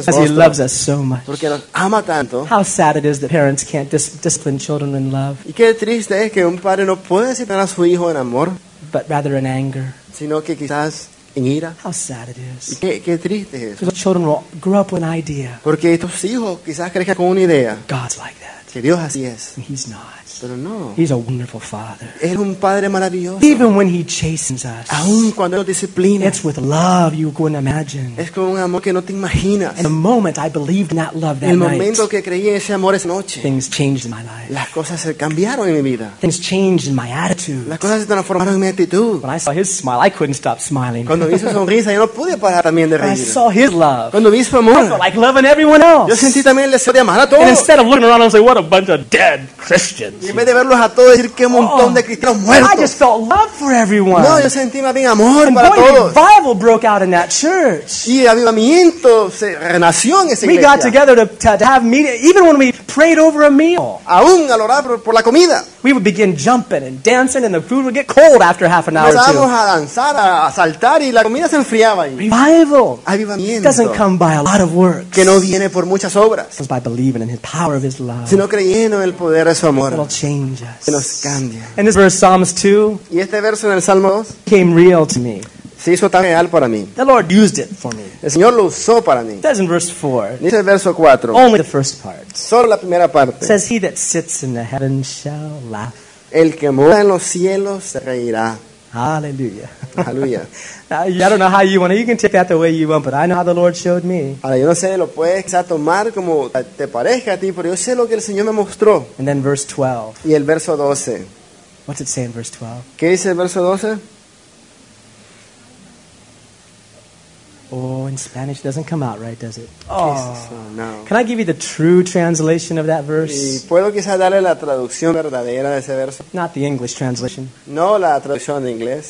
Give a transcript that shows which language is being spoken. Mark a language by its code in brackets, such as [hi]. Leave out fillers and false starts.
[en] because he loves us so much. [es] Porque nos ama tanto. [en] How sad it is that parents can't discipline children in love. [es] Y qué triste es que un padre no puede disciplinar a su hijo en amor. [en] But rather in anger. [es] Sino que quizás en ira. [en] How sad it is. [es] Y qué triste es. [en] Because children will grow up with an idea. [es] Porque estos hijos quizás crezcan con una idea. [en] God's like that. [es] Que Dios así es. [en] And he's not. [es] Pero no. [en] He's a wonderful father. [es] Es un padre maravilloso. [en] Even when he chastens us, [es] aun cuando nos disciplina, [en] it's with love you couldn't imagine. [es] Es con un amor que no te imaginas. [en] And the moment I believed in that love that [es] el momento [en] night, [es] que creí en ese amor esa noche, [en] things changed in my life. [es] Las cosas se cambiaron en mi vida. [en] Things changed in my attitude. [es] Las cosas se transformaron en mi actitud. [en] When I saw his smile, I couldn't stop smiling. [es] Cuando vi su sonrisa, yo no pude parar también de reír. [en] I saw his love. [es] Cuando vi su amor, [en] I felt like loving everyone else. [es] Yo sentí también el deseo de amar a todos. [en] And instead of looking around and saying, "What a bunch of dead Christians." [es] Y en vez de verlos a todos decir qué montón de cristianos muertos. [en] I just felt love for everyone. [es] No, yo sentí más bien amor [en] and [es] para [en] boy, [es] todos. [en] Revival broke out in that church. [es] Y el avivamiento se renació en esa iglesia. [en] We got together to have meeting, even when we prayed over a meal. [es] Aún al orar por la comida. [en] We would begin jumping and dancing, and the food would get cold after half an hour. [es] Empezamos a danzar, a saltar, y la comida se enfriaba ahí. [en] Revival. [es] Avivamiento. [en] Doesn't come by a lot of works. [es] Que no viene por muchas obras. [en] It comes by believing in His power of His love. [es] Sino creyendo en el poder de su amor. [en] It'll change us. [es] Que nos cambia. [en] And this verse, Psalms 2. [es] Y este verso en el Salmo 2. [en] Came real to me. [es] Se hizo tan real para mí. [en] The Lord used it for me. [es] El Señor lo usó para mí. [en] It says in verse 4. [es] Dice el verso 4. [en] Only the first part. [es] Solo la primera parte. [en] It says, "He that sits in the heavens shall laugh." [es] El que mora en los cielos se reirá. [en] Hallelujah. [es] Hallelujah. [en] I don't know how you want it. You can take that the way you want, but I know how the Lord showed me. [es] Ahora, yo no sé, lo puedes tomar como te parezca a ti, pero yo sé lo que el Señor me mostró. [en] And then verse 12. [es] Y el verso 12. [en] What's it say in verse 12? [es] ¿Qué dice el verso 12? [en] Oh, in Spanish, it doesn't come out right, does it? [es] Oh, no. [en] Can I give you the true translation of that verse? [es] ¿Puedo quizás darle la traducción verdadera de ese verso? [en] Not the English translation. [es] No la traducción de inglés.